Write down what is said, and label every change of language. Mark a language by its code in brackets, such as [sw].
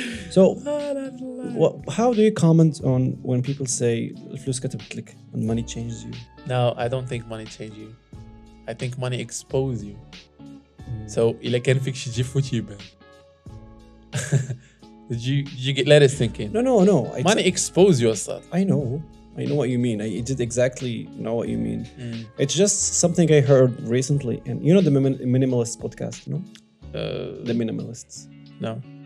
[en] So, how do you comment on when people say [ar] الفلوس كتبت لك [en] and money changes you? No, I don't think money changes you. I think money exposes you. [ar] So, إلا كان فيك شي فوتيبة. [en] did you get let us thinking? No. Money expose yourself. I know what you mean. I did exactly know what you mean. Mm. It's just something I heard recently, and you know the minimalist podcast, no? The minimalists. No.